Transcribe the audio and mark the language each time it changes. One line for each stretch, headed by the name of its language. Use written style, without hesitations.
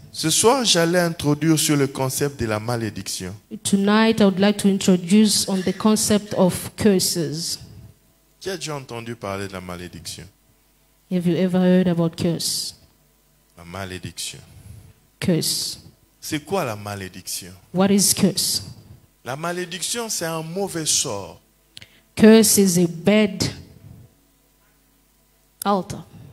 French: Ce soir, j'allais introduire sur le concept de la malédiction.
English: Tonight, I would like to introduce on the concept of curses.
French: Qui a déjà entendu parler de la malédiction?
English: Have you ever heard about curse?
French: La malédiction.
English: Curse.
French: C'est quoi la malédiction?
English: What is curse?
French: La malédiction, c'est un mauvais sort.
English: Curse is a bad altar.